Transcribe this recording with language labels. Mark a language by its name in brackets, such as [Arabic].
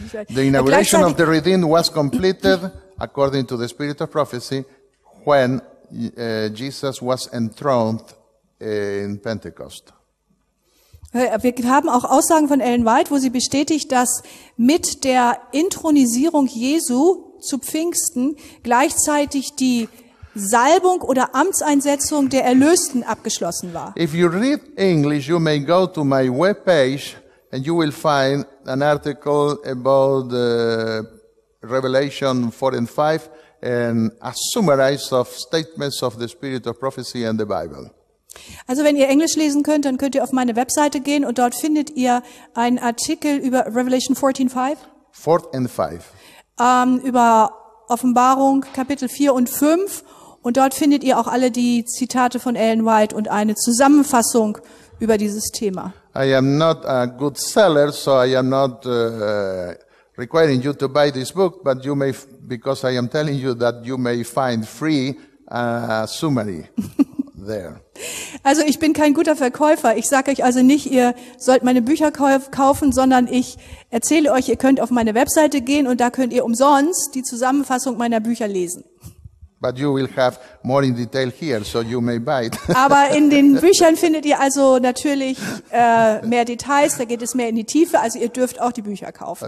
[English] The inauguration of the redeemed was completed according to the spirit of prophecy when Jesus was enthroned in Pentecost. [German] Wir haben auch Aussagen von Ellen White, wo sie bestätigt, dass mit der Intronisierung Jesu zu Pfingsten gleichzeitig die Salbung oder Amtseinsetzung der Erlösten abgeschlossen war. [English] If you read English, you may go to my webpage and you will find an article about Revelation 4 and 5 and a summarize of statements of the spirit of prophecy and the Bible. [German] Also wenn ihr Englisch lesen könnt, dann könnt ihr auf meine Webseite gehen und dort findet ihr einen Artikel über Revelation 14:5. Über Offenbarung Kapitel 4 und 5. Und dort findet ihr auch alle die Zitate von Ellen White und eine Zusammenfassung über dieses Thema. [English] I am not a good seller, so I am not requiring you to buy this book, but you may, because I am telling you that you may find free a summary there. [German] Also ich bin kein guter Verkäufer. Ich sage euch also nicht, ihr sollt meine Bücher kaufen, sondern ich erzähle euch, ihr könnt auf meine Webseite gehen und da könnt ihr umsonst die Zusammenfassung meiner Bücher lesen. [English] But you will have more in detail here, so you may buy it. [German] Aber in den Büchern findet ihr also natürlich mehr Details, da geht es mehr in die Tiefe, also ihr dürft auch die Bücher kaufen.